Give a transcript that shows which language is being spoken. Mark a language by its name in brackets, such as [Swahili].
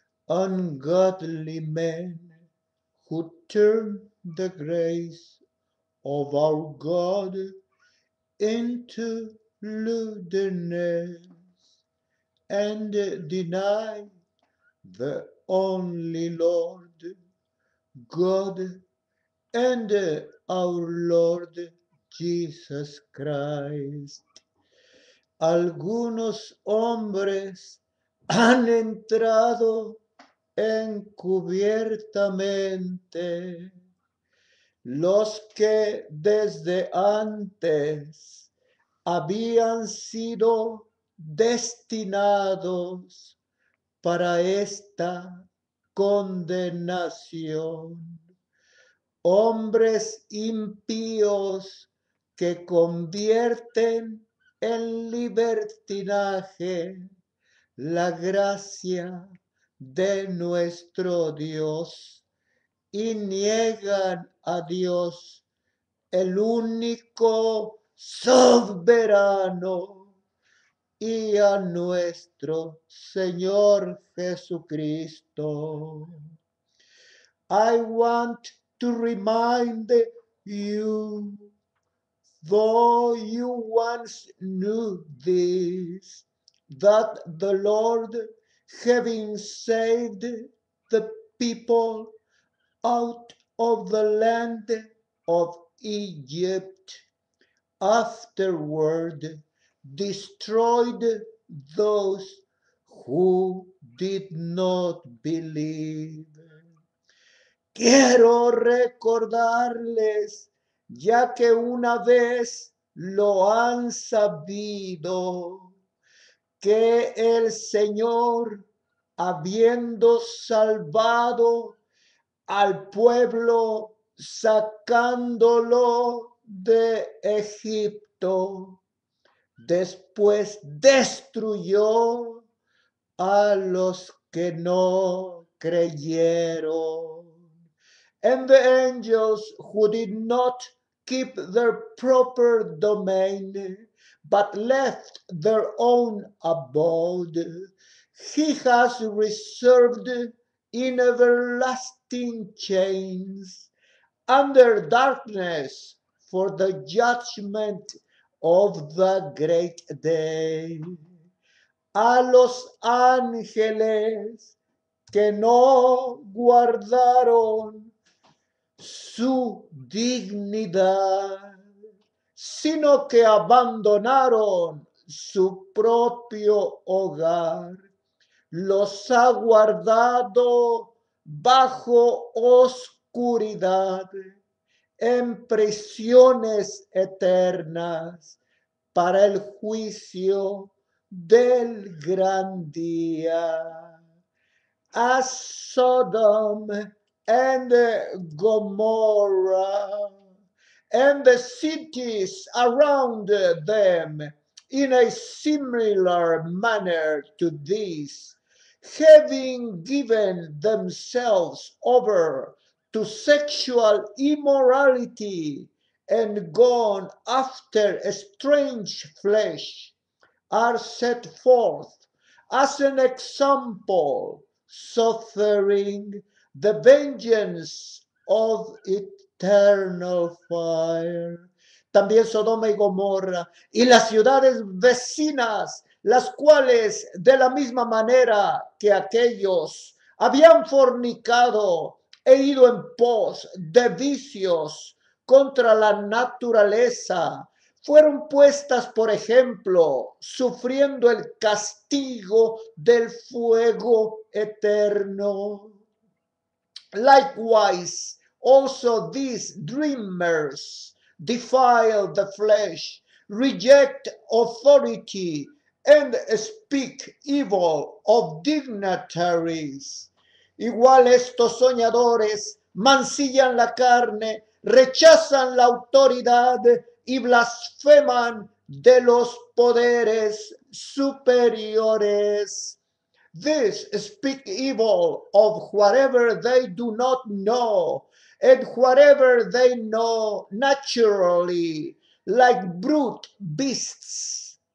[English] Ungodly men who turn the grace of our God into lewdness and deny the only Lord God and our Lord Jesus Christ. [Spanish] Algunos hombres han entrado encubiertamente, los que desde antes habían sido destinados para esta condenación, hombres impíos que convierten en libertinaje la gracia de nuestro Dios y niegan a Dios, el único soberano, y a nuestro Señor Jesucristo. [English] I want to remind you, though you once knew this, that the Lord, having saved the people out of the land of Egypt, afterward destroyed those who did not believe. [Spanish] Quiero recordarles, ya que una vez lo han sabido, que el Señor, habiendo salvado al pueblo, sacándolo de Egipto, después destruyó a los que no creyeron. [English] And the angels who did not keep their proper domain, but left their own abode, he has reserved in everlasting chains under darkness for the judgment of the great day. [Spanish] A los ángeles que no guardaron su dignidad, sino que abandonaron su propio hogar, los ha guardado bajo oscuridad, en prisiones eternas para el juicio del gran día. [English] As Sodom and Gomorrah and the cities around them, in a similar manner to this, having given themselves over to sexual immorality and gone after a strange flesh, are set forth as an example, suffering the vengeance of eternal fire. [Spanish] También Sodoma y Gomorra y las ciudades vecinas, las cuales de la misma manera que aquellos habían fornicado e ido en pos de vicios contra la naturaleza, fueron puestas, por ejemplo, sufriendo el castigo del fuego eterno. [English] Likewise, also these dreamers defile the flesh, reject authority, and speak evil of dignitaries. [Spanish] Igual estos soñadores mancillan la carne, rechazan la autoridad y blasfeman de los poderes superiores. [English] These speak evil of whatever they do not know, and whatever they know naturally, like brute beasts.